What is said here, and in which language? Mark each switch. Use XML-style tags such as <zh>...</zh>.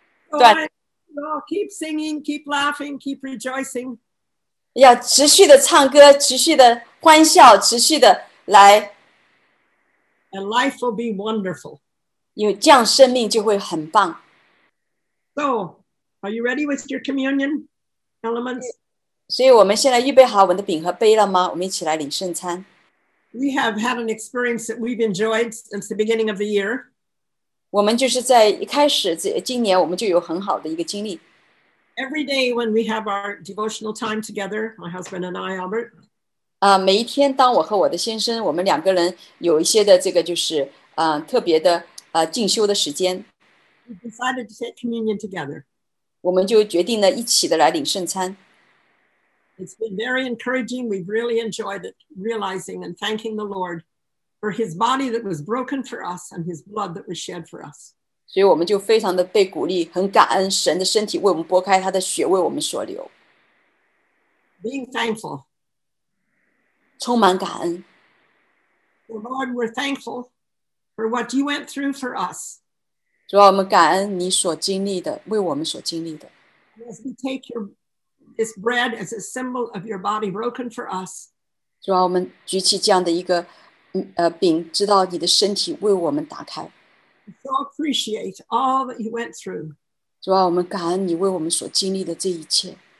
<en>So keep singing, keep laughing, keep rejoicing.</en> <zh>要持续的唱歌，持续的欢笑，持续的来。</zh> <en>And life will be wonderful.</en> <zh>因为这样生命就会很棒。</zh> <en>So, are you ready with your communion elements?</en> <zh>所以我们现在预备好我们的饼和杯了吗？我们一起来领圣餐。</zh> <en>We have had an experience that we've enjoyed since the beginning of the year.</en> <zh>我们就是在一开始，今年我们就有很好的一个经历。</zh> <en>Every day when we have our devotional time together, my husband and I, Albert.</en> <zh>每一天当我和我的先生，我们两个人有一些的这个就是特别的进修的时间。</zh> <en>We decided to take communion together.</en> <zh>我们就决定了一起的来领圣餐。</zh> <en>It's been very encouraging. We've really enjoyed it, realizing and thanking the Lord for his body that was broken for us and his blood that was shed for us.</en> <zh>所以我们就非常的被鼓励，很感恩神的身体为我们剥开，他的血为我们所流。</zh> <en>Being thankful.</en> <zh>充满感恩。</zh> <en>Lord, we're thankful for what you went through for us.</en> <zh>主啊，我们感恩你所经历的，为我们所经历的。</zh> <en>As we take your this bread as a symbol of your body broken for us.</en> <zh>主啊，我们举起这样的一个饼，知道你的身体为我们打开。</zh> <en>So appreciate all that you went through.</en> <zh>主啊，我们感恩你为我们所经历的这一切。</zh>